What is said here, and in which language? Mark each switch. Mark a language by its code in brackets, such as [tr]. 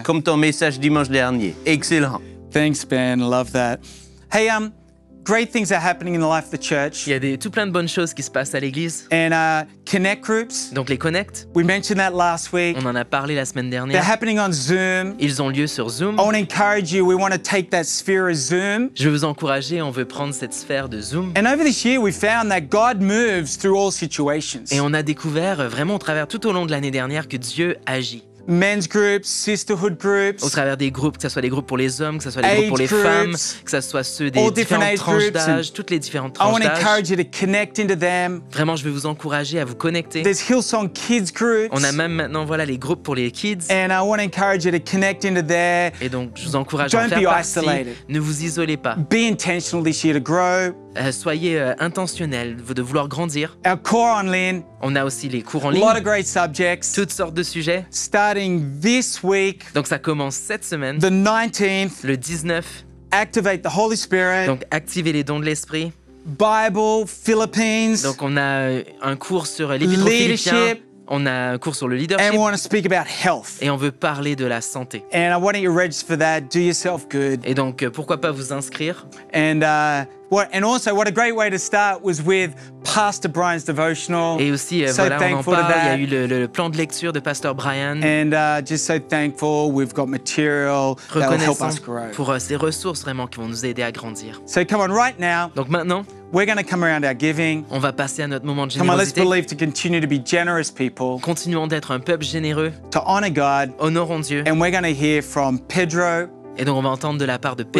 [fr] Comme ton message dimanche dernier, excellent. [en] Thanks, Ben, love that. Hey, great things are happening in the life of the church. [fr] Il y a tout plein de bonnes choses qui se passent à l'église. [en] And connect groups. [fr] Donc les connect. [en] We mentioned that last week. [fr] On en a parlé la semaine dernière. [en] They're happening on Zoom. [fr] Ils ont lieu sur Zoom. [en] I want to encourage you. We want to take that sphere of Zoom. [fr] Je veux vous encourager. On veut prendre cette sphère de Zoom. [en] And over this year, we found that God moves through all situations. [fr] Et on a découvert vraiment au travers tout au long de l'année dernière que Dieu agit. [en] Men's groups, sisterhood groups. [fr] Au travers des groupes, que ce soit des groupes pour les hommes, que ce soit des groupes pour les femmes, que ce soit ceux des différentes tranches d'âge, toutes les différentes tranches d'âge. [en] I want to encourage you to connect into them. [fr] Vraiment, je veux vous encourager à vous connecter. [en] There's Hillsong Kids groups. [fr] On a même maintenant voilà les groupes pour les kids. [en] And I want to encourage you to connect into there. [fr] Et donc, je vous encourage à faire partie. Ne vous isolez pas. [en] Be intentional this year to grow. [fr] Soyez intentionnel de vouloir grandir. [en] Our core online. [fr] On a aussi les cours en ligne. [en] A lot of great subjects. [fr] Toutes sortes de sujets. [en] Starting this week. [fr] Donc ça commence cette semaine. [en] The 19th. [fr] Le 19. [en] Activate the Holy Spirit. [fr] Donc activez les dons de l'esprit. [en] Bible, Philippines. [fr] Donc on a un cours sur l'épître aux Philippiens. On a un cours sur le leadership. [en] And we want to speak about health. [fr] Et on veut parler de la santé. [en] And I want you to register for that. Do yourself good. [fr] Et donc, pourquoi pas vous inscrire? [en] And also, what a great way to start was with Pastor Brian's devotional. [fr] Et aussi, on en parle. Il y a eu le plan de lecture de Pastor Brian. [en] And just so thankful we've got material that will help us grow. [fr] Pour ces ressources vraiment qui vont nous aider à grandir. [en] So come on, right now. [fr] Donc maintenant. [en] We're going to come around our giving. [fr] On va passer à notre moment de générosité. [en] Come on, let's believe to continue to be generous people. [fr] Continuons d'être un peuple généreux. [en] To honor God. [fr] Honorons Dieu. [en] And we're going to hear from Pedro. [fr] Et donc on va entendre de la part de Pedro.